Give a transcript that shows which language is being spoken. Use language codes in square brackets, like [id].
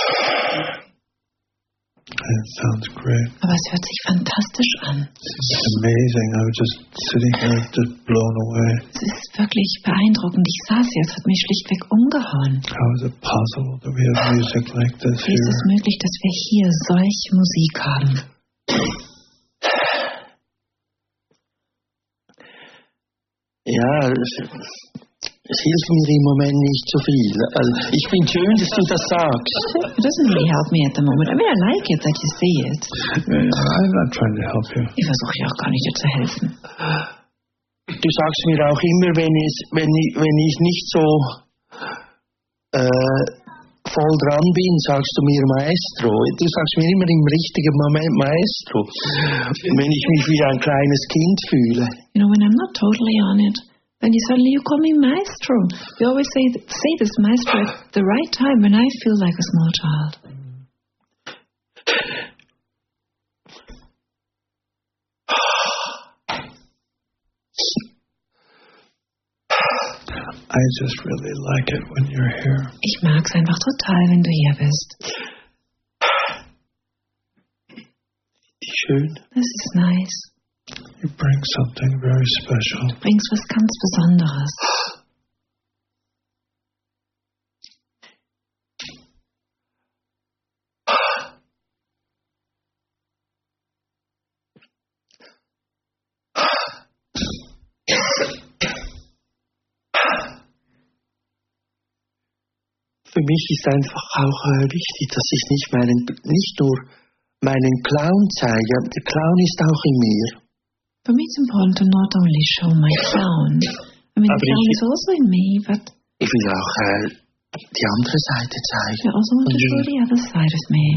[en] Ja. It sounds great. [de] Aber es hört sich fantastisch an. [en] It's amazing. I was just sitting here, just blown away. [de] Es ist wirklich beeindruckend. Ich saß hier, es hat mich schlichtweg umgehauen. [en] How is it possible that we have music like this here? [de] Wie ist es möglich, dass wir hier solche Musik haben? Ja, es hilft mir im Moment nicht so viel. Also, ich bin schön, dass du das sagst. [en] It doesn't really help me at the moment. I mean, I like it that you say it. I'm not trying to help you. [de] Ich versuche ja auch gar nicht, dir zu helfen. Du sagst mir auch immer, wenn ich nicht so voll dran bin, sagst du mir Maestro. Du sagst mir immer im richtigen Moment Maestro. Wenn ich mich wie ein kleines Kind fühle. [en] You know, when I'm not totally on it. And you suddenly you call me Maestro. You always say this Maestro at the right time when I feel like a small child. I just really like it when you're here. [de] Ich mag's einfach total, wenn du hier bist. Schön. [en] This is nice. You bring something very special. [de] Du bringst was ganz Besonderes. Für mich ist einfach auch wichtig, dass ich nicht nur meinen Clown zeige. Der Clown ist auch in mir. [en] For me it's important to not only show my clown. I mean, aber the clown is also in me, but... [de] Ich will auch die andere Seite zeigen. [en] I also want to show the other side of me.